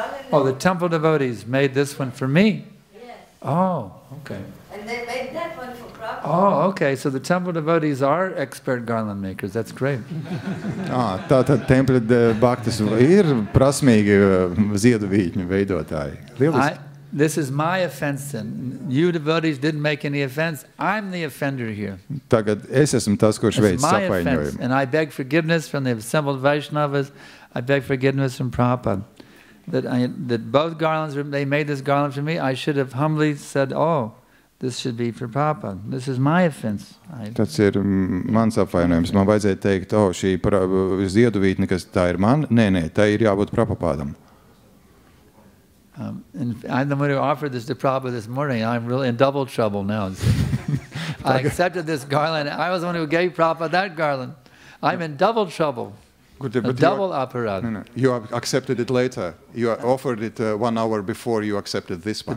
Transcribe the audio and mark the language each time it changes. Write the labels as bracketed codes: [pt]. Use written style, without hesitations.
[en] Oh, the temple devotees made this one for me? Yes. Oh, okay. And they made that one for Oh, okay, so the temple devotees are expert garland makers, that's great. [lv] Ah, tātad tempļa baktas ir prasmīgi ziedovītņu veidotāji. Lieliski. [en] This is my offense then. You devotees didn't make any offense. I'm the offender here. [lv] Tagad es esmu tas, kurš veic sapainojumu. [en] Offense, and I beg forgiveness from the assembled Vaishnavas. I beg forgiveness from Prabhupada. That both garlands, they made this garland for me, I should have humbly said, oh, this should be for Papa. This is my offense. [lv] Tas ir mans apvainojums. Man vajadzēja teikt, oh, šī ziedovītne, kas tā ir man? Nē, nē, tā ir jābūt Prabhupādam. [en] And I'm going to offer this to Prabhupada this morning. I'm really in double trouble now. I accepted this garland. I was the one who gave Prabhupada that garland. I'm in double trouble. Double aparāta. You accepted it later. You offered it 1 hour before you accepted this one.